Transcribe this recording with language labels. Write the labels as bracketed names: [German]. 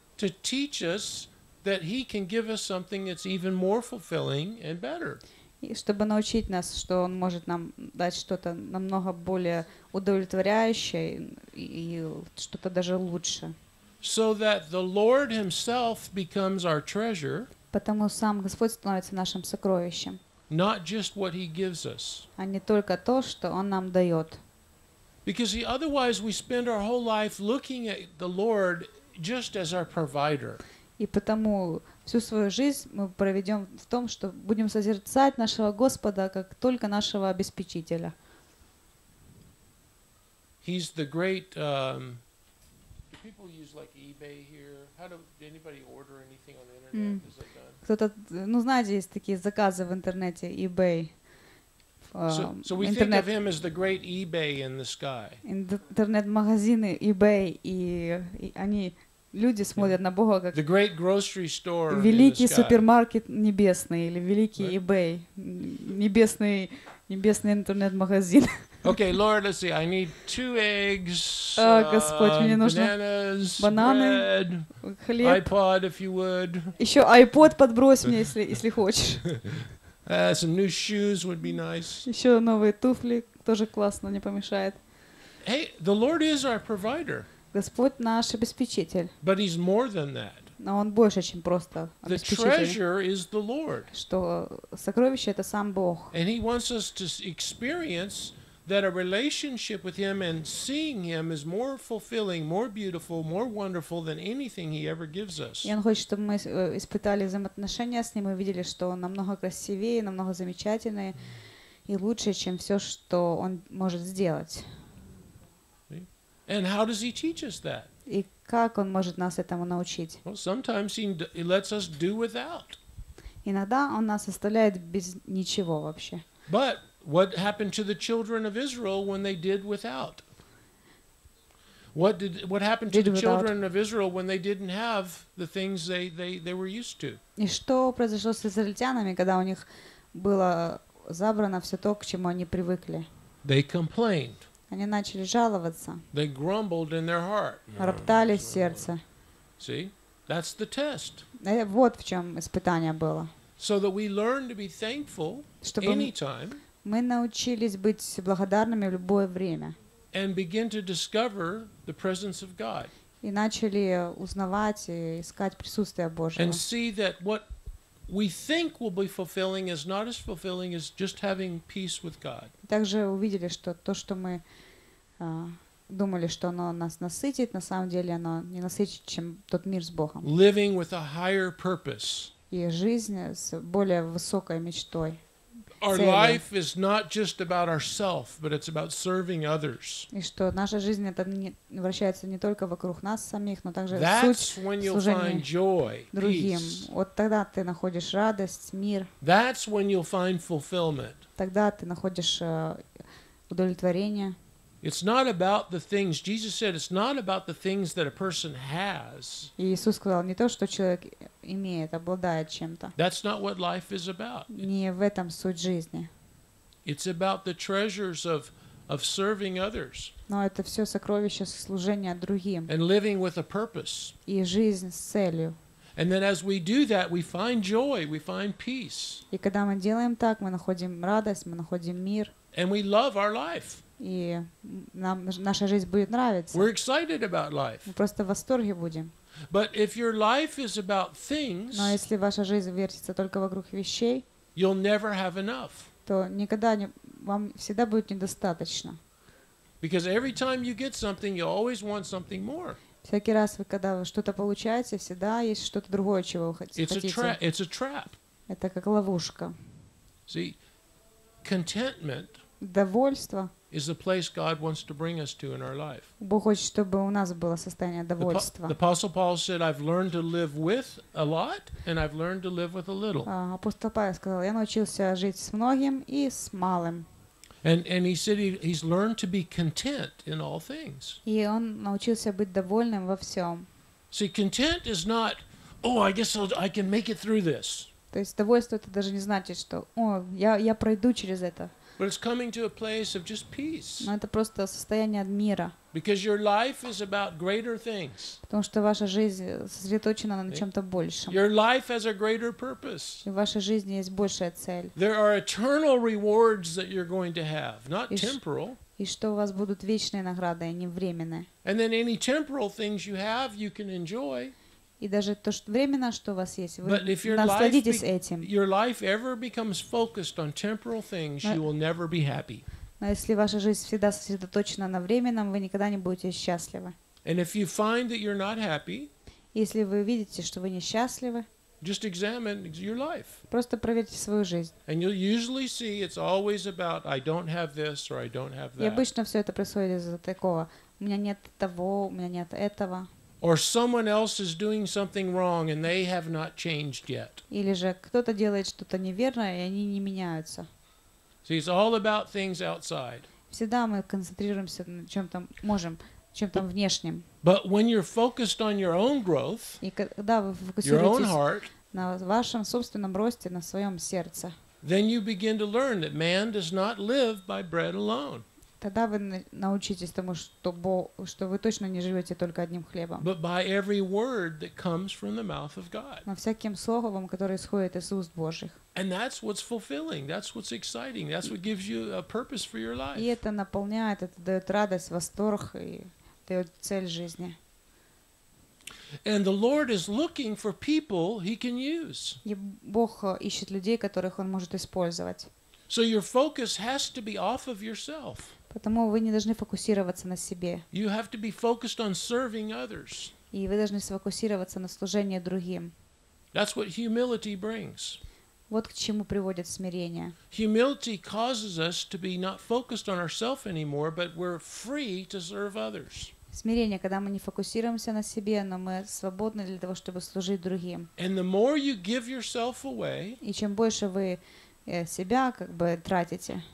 [English] To teach us that he can give us something that's even more fulfilling and better. [Russian] И чтобы научить нас, что он может нам дать что-то намного более удовлетворяющее и что-то даже лучше. [English] So that the Lord himself becomes our treasure. [Russian] Потому сам Господь становится нашим сокровищем. [English] Not just what he gives us. [Russian] А не только то, что Он нам дает. [English] Because otherwise we spend our whole life looking at the Lord just as our provider. [Russian] И потому всю свою жизнь мы проведем в том, что будем созерцать нашего Господа как только нашего обеспечителя. [English] He's the great... people use like eBay here. How do anybody order anything on the internet? Mm. Is it done? [Russian] Кто-то, ну знаете, есть такие заказы в интернете, eBay. [English] So we internet. Think of him as the great eBay in the sky. [Russian] Интернет-магазины eBay и они Люди смотрят на Бога как [English] the great grocery store [Russian] великий супермаркет небесный или великий right. eBay, небесный интернет-магазин. [English] Okay, Lord, let's see. I need two eggs. [Russian] Господь, мне нужно бананы, [English] bread, [Russian] хлеб. [English] iPod, if you would. [Russian] Еще iPod подбрось мне, если хочешь. [English] Some new shoes would be nice. [Russian] Еще новые туфли тоже классно, не помешает. [English] Hey, the Lord is our provider. [Russian] Господь наш обеспечитель. [English] But he's more than that. [Russian] Но он больше, чем просто обеспечитель. [English] The treasure is the Lord. [Russian] Что сокровище это сам Бог. [English] And he wants us to experience that a relationship with him and seeing him is more fulfilling, more beautiful, more wonderful than anything he ever gives us. [Russian] И он хочет, чтобы мы испытали взаимоотношения с ним и видели, что он намного красивее, намного замечательнее и лучше, чем все, что он может сделать. [English] And how does he teach us that? [Russian] И как он может нас этому научить? [English] Well, sometimes he lets us do without. [Russian] Иногда он нас оставляет без ничего вообще. [English] But what happened to the children of Israel when they did without? What happened to the children of Israel when they didn't have the things they were used to? [Russian] И что произошло с израильтянами, когда у них было забрано все то, к чему они привыкли? [English] They complained. [Russian] Они начали жаловаться. [English] They grumbled in their heart. [Russian] Роптали в сердце. [English] See? That's the test. [Russian] Вот в чем испытание было. [English] So that we learn to be thankful anytime. [Russian] Мы научились быть благодарными в любое время. [English] And begin to discover the presence of God. [Russian] И начали узнавать и искать присутствие Божьего. [English] And see that what we think will be fulfilling is not as fulfilling as just having peace with God. [Russian] Также увидели, что то, что мы думали, что оно нас насытит, на самом деле оно не насытит, чем тот мир с Богом. [English] Living with a higher purpose. [Russian] И жизнь с более высокой мечтой. [English] Our life is not just about ourselves, but it's about serving others. [Russian] И что наша жизнь это не вращается не только вокруг нас самих, но также суть служения другим. Вот тогда ты находишь радость, мир. [English] That's when you'll find fulfillment. [Russian] Тогда ты находишь удовлетворение. [English] It's not about the things Jesus said. It's not about the things that a person has. [Russian] Иисус сказал не то, что человек имеет, обладает чем-то. [English] That's not what life is about. [Russian] Не в этом суть жизни. [English] It's about the treasures of serving others. [Russian] Но это все сокровища служения другим. [English] And living with a purpose. [Russian] И жизнь с целью. [English] And then as we do that, we find joy, we find peace. [Russian] И когда мы делаем так, мы находим радость, мы находим мир. [English] And we love our life. [Russian] И нам наша жизнь будет нравиться. [English] We're excited about life. [Russian] Мы просто в восторге будем. [English] But if your life is about things, [Russian] но если ваша жизнь вертится только вокруг вещей, [English] you'll never have enough. [Russian] То никогда не, вам всегда будет недостаточно. [English] Because every time you get something, you always want something more. [Russian] Всякий раз, когда вы что-то получаете, всегда есть что-то другое, чего вы хотите. [English] It's a trap. [Russian] Это как ловушка. [English] See, contentment. [Russian] Довольство. [English] Is the place God wants to bring us to in our life. [Russian] Бог хочет, чтобы у нас было состояние довольства. [English] The Apostle Paul said, "I've learned to live with a lot, and I've learned to live with a little." [Russian] Апостол Павел сказал, я научился жить с многим и с малым. [English] And he said he's learned to be content in all things. [Russian] И он научился быть довольным во всем. [English] See, content is not, oh, I guess I can make it through this. [Russian] То есть довольство это даже не значит, что, о, я пройду через это. [English] But it's coming to a place of just peace. [Russian] Но это просто состояние мира. [English] Because your life is about greater things. [Russian] Потому что ваша жизнь сосредоточена на чем-то большем. [English] Your life has a greater purpose. [Russian] В вашей жизни есть большая цель. [English] There are eternal rewards that you're going to have, not temporal. [Russian] И что у вас будут вечные награды, а не временные. [English] And then any temporal things you have, you can enjoy. [Russian] И даже то, что временно, что у вас есть, вы насладитесь этим. [English] Your life ever becomes focused on temporal things, you will never be happy. [Russian] Но если ваша жизнь всегда сосредоточена на временном, вы никогда не будете счастливы. [English] And if you find that you're not happy, [Russian] если вы видите, что вы несчастливы, [English] just examine your life. [Russian] Просто проверьте свою жизнь. [English] And you'll usually see it's always about I don't have this or I don't have that. [Russian] И обычно все это происходит из-за такого: у меня нет того, у меня нет этого. [English] Or someone else is doing something wrong and they have not changed yet. [Russian] Или же кто-то делает что-то неверное, и они не меняются. [English] See, it's all about things outside. [Russian] Всегда мы концентрируемся на чем-то внешнем. [English] But when you're focused on your own growth, your own heart, [Russian] на вашем собственном росте, на своем сердце, [English] then you begin to learn that man does not live by bread alone. [Russian] Тогда вы научитесь тому, что Бог, что вы точно не живете только одним хлебом. [English] But by every word that comes from the mouth of God. [Russian] На всяким словом, которое исходит из уст Божьих. [English] And that's what's fulfilling. That's what's exciting. That's what gives you a purpose for your life. [Russian] И это наполняет, это дает радость, восторг и дает цель жизни. [English] And the Lord is looking for people He can use. [Russian] И Бог ищет людей, которых Он может использовать. [English] So your focus has to be off of yourself. [Russian] Потому вы не должны фокусироваться на себе. [English] You have to be focused on serving others. [Russian] И вы должны сфокусироваться на служении другим. [English] That's what humility brings. [Russian] Вот к чему приводит смирение. [English] Humility causes us to be not focused on ourselves anymore, but we're free to serve others. [Russian] Смирение, когда мы не фокусируемся на себе, но мы свободны для того, чтобы служить другим. [English] And the more you give yourself away, [Russian] и чем больше вы себя как бы тратите,